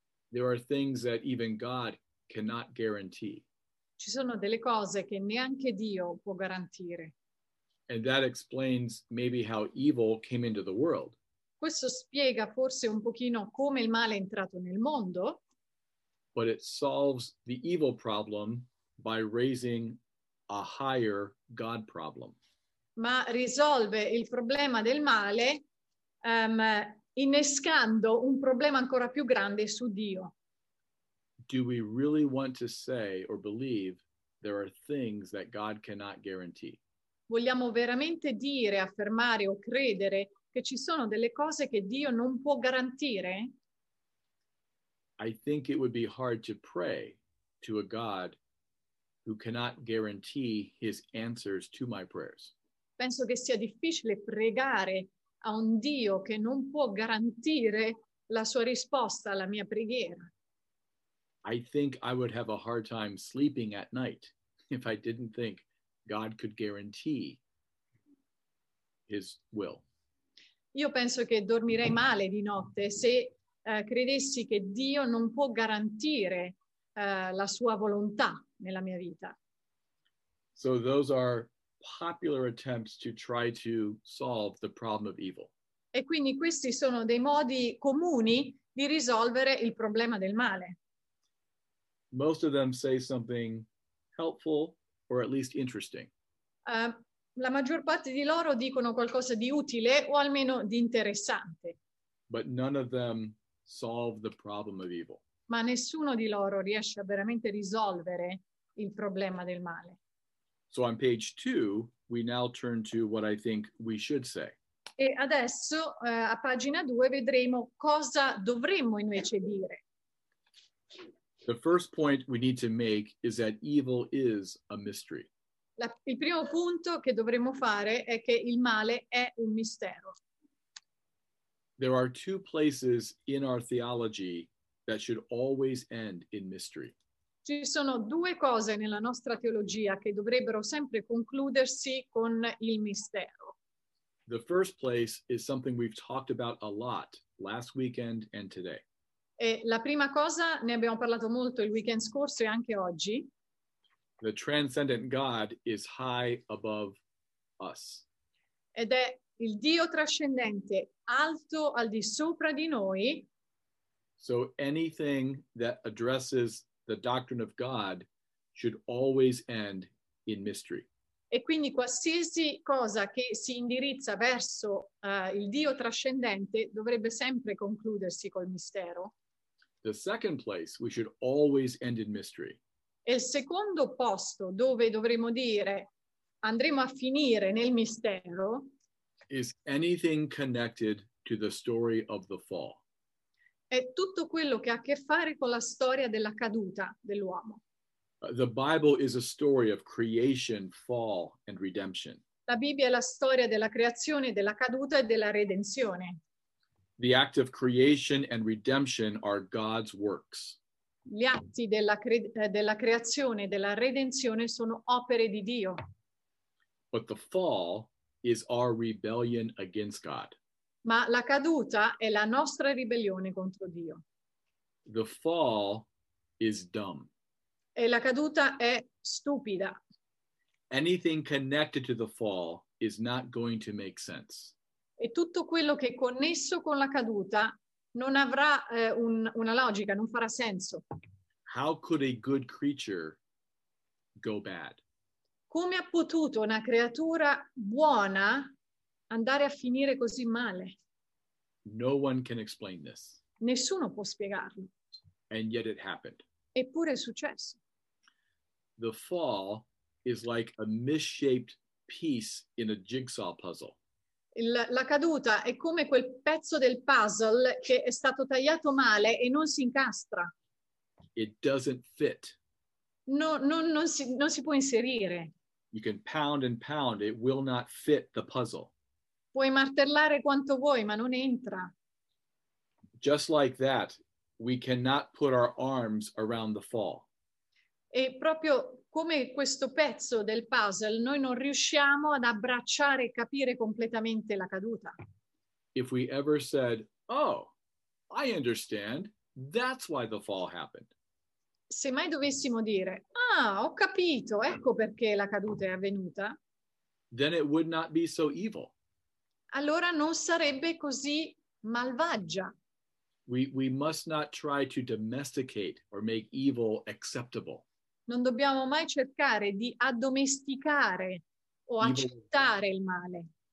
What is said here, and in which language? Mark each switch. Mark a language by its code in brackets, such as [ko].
[en] There are things that even God cannot guarantee. [it] Ci sono delle cose che neanche Dio può garantire. [en] And that explains maybe how evil came into the world. [it] Questo spiega forse un pochino come il male è entrato nel mondo. [en] But it solves the evil problem by raising a higher God problem. [it] Ma risolve il problema del male innescando un problema ancora più grande su Dio. [en] Do we really want to say or believe there are things that God cannot guarantee? [it] Vogliamo veramente dire, affermare o credere che ci sono delle cose che Dio non può garantire? [en] I think it would be hard to pray to a God who cannot guarantee his answers to my prayers. [it] Penso che sia difficile pregare a un Dio che non può garantire la sua risposta alla mia preghiera. [en] I think I would have a hard time sleeping at night if I didn't think God could guarantee his will. [it] Io penso che dormirei male di notte se credessi che Dio non può garantire la sua volontà nella mia vita. [en] So those are popular attempts to try to solve the problem of evil. [it] E quindi questi sono dei modi comuni di risolvere il problema del male. [en] Most of them say something helpful or at least interesting. [it] La maggior parte di loro dicono qualcosa di utile o almeno di interessante. [en] But none of them solve the problem of evil. [it] Ma nessuno di loro riesce a veramente risolvere il problema del male. [en] So on page 2, we now turn to what I think we should say. [it] E adesso a pagina 2 vedremo cosa dovremmo invece dire. [en] The first point we need to make is that evil is a mystery. [it] Il primo punto che dovremmo fare è che il male è un mistero. [en] There are two places in our theology that should always end in mystery. [it] Ci sono due cose nella nostra teologia che dovrebbero sempre concludersi con il mistero. [en] The first place is something we've talked about a lot last weekend and today. [it] E la prima cosa, ne abbiamo parlato molto il weekend scorso e anche oggi. [en] The transcendent God is high above us. [it] Ed è il Dio trascendente, alto al di sopra di noi. [en] So anything that addresses the doctrine of God should always end in mystery. [it] E quindi qualsiasi cosa che si indirizza verso il Dio trascendente dovrebbe sempre concludersi col mistero. [en] The second place we should always end in mystery. [it] E il secondo posto dove dovremmo dire andremo a finire nel mistero [en] is anything connected to the story of the fall. [it] È tutto quello che ha a che fare con la storia della caduta dell'uomo. [en] The Bible is a story of creation, fall, and redemption. [it] La Bibbia è la storia della creazione, della caduta e della redenzione. [en] The act of creation and redemption are God's works. [it] Gli atti della, della creazione, della redenzione sono opere di Dio. [en] But the fall is our rebellion against God. [it] Ma la caduta è la nostra ribellione contro Dio. [en] The fall is dumb. [it] E la caduta è stupida. [en] Anything connected to the fall is not going to make sense. [it] E tutto quello che è connesso con la caduta non avrà una logica, non farà senso. [en] How could a good creature go bad? [it] Come ha potuto una creatura buona andare a finire così male? [en] No one can explain this. [it] Nessuno può spiegarlo. [en] And yet it happened. [it] Eppure è successo. [en] The fall is like a misshaped piece in a jigsaw puzzle. [it] La caduta è come quel pezzo del puzzle che è stato tagliato male e non si incastra. [en] It doesn't fit. [it] Non si può inserire. [en] You can pound and pound, it will not fit the puzzle. [it] Puoi martellare quanto vuoi, ma non entra. [en] Just like that, we cannot put our arms around the fall. [it] E proprio come questo pezzo del puzzle, noi non riusciamo ad abbracciare e capire completamente la caduta. [en] If we ever said, oh, I understand, that's why the fall happened. [it] Se mai dovessimo dire, ah, ho capito, ecco perché la caduta è avvenuta. [en] Then it would not be so evil. [it] Allora non sarebbe così malvagia. [en] We must not try to domesticate or make evil acceptable. [it] Non dobbiamo mai cercare di addomesticare o evil, accettare il male.